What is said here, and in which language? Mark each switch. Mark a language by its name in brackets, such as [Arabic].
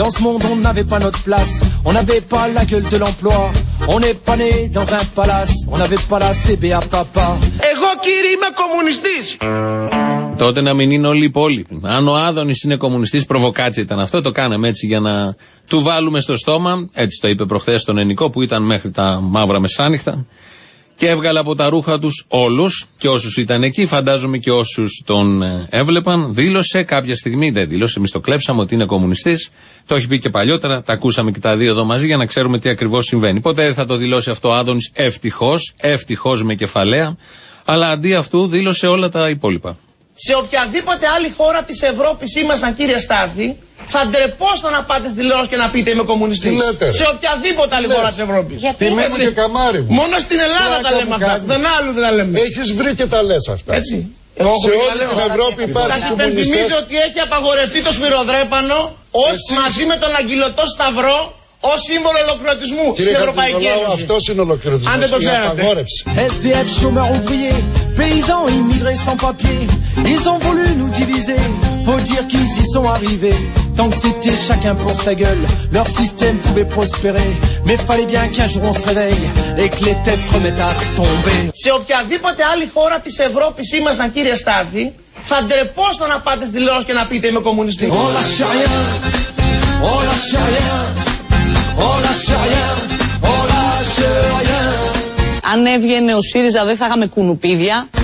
[French] Dans ce monde, on n'avait pas notre place, on n'avait pas la gueule de l'emploi. On n'est pas né dans un palace, on n'avait pas la CB à papa. [Greek] Εγώ κύριε είμαι communistes. Τότε να μην είναι όλοι οι υπόλοιποι. Αν ο Άδωνης είναι κομμουνιστής, προβοκάτσια ήταν αυτό, το κάναμε έτσι για να του βάλουμε στο στόμα. Έτσι το είπε προχθές στον Ενικό που ήταν μέχρι τα μαύρα μεσάνυχτα. Και έβγαλε από τα ρούχα τους όλους και όσους ήταν εκεί, φαντάζομαι και όσους τον έβλεπαν. Δήλωσε κάποια στιγμή, δεν δήλωσε, εμείς το κλέψαμε ότι είναι κομμουνιστής. Το έχει πει και παλιότερα, τα ακούσαμε και τα δύο εδώ μαζί για να ξέρουμε τι ακριβώς συμβαίνει. Ποτέ δεν θα το δηλώσει αυτό ο Άδωνης, ευτυχώς με κεφαλαία. Αλλά αντί αυτού δήλωσε όλα τα υπόλοιπα. Σε οποιαδήποτε άλλη χώρα της Ευρώπης ήμασταν, κύριε Στάθη, θα ντρεπόστο να πάτε στη τηλεόραση και να πείτε είμαι κομμουνιστής. Σε οποιαδήποτε άλλη χώρα της Ευρώπης. Γιατί μένω και καμάρι μου. Μόνο στην Ελλάδα τα λέμε αυτά. Δεν άλλου δεν τα λέμε. Έχεις βρει και τα λες αυτά. Έτσι. Σε όλη την Ευρώπη υπάρχει. Σας υπενθυμίζω ότι έχει απαγορευτεί το σφυροδρέπανο ως μαζί με τον αγγιλωτό σταυρό ως σύμβολο ολοκληρωτισμού στην Ευρωπαϊκή Ένωση. Αυτό είναι ολοκληρωτισμός. Αν δεν το ξέρατε. [French] SDF, chômeur ouvrier, paysans, immigrés sans papier. Ils ont voulu nous diviser. Faut dire qu'ils y sont arrivés. Tant que c'était chacun pour sa gueule, leur système pouvait prospérer. Mais fallait bien qu'un jour on se réveille et que les têtes se remettent à tomber. [Greek] Σε οποιαδήποτε άλλη χώρα της Ευρώπης ήμασταν, κύριε Στάθη, θα ντρεπόσταν να πάτε στη τηλεόραση και να πείτε είμαι κομμουνιστή. Όλα σιαριά, όλα σιαριά, όλα σιαριά, όλα σιαριά. Αν έβγαινε ο ΣΥΡΙΖΑ δεν θα είχαμε κουνουπίδια.